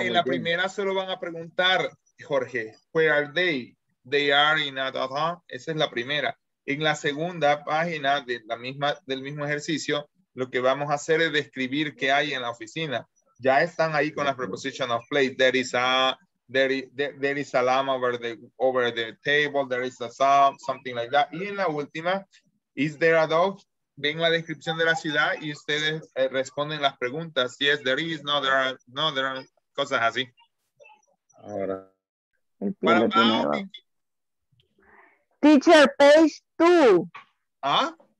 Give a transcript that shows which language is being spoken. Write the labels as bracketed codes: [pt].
[es] Ah, en la primera solo van a preguntar, Jorge, [en] where are they? They are in a... [es] Uh-huh. Esa es la primera. En la segunda página de la misma, del mismo ejercicio, lo que vamos a hacer es describir qué hay en la oficina. Ya están ahí con las [en] preposition of place. There is a... There is a lamp over the table. There is a sound, something like that. [es] Y en la última, [en] is there a dog? [es] Ven la descripción de la ciudad y ustedes responden las preguntas. [en] Yes, there is. No, there are. No, there are. [es] Cosas así. Ahora. Bueno, [en] teacher, page 2. ¿Ah?